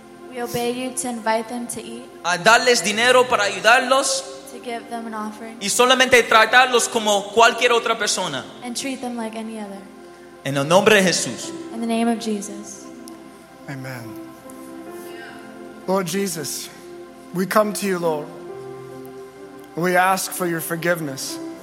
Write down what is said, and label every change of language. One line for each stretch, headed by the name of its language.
English: We obey you to invite them to eat.
Spanish: A darles dinero para ayudarlos.
English: To give them an offering.
Spanish: Y solamente tratarlos como cualquier otra persona.
English: And treat them like any other.
Spanish: En el nombre de Jesús.
English: In the name of Jesus. Amen. Lord Jesus, we come to you, Lord. We ask for your forgiveness.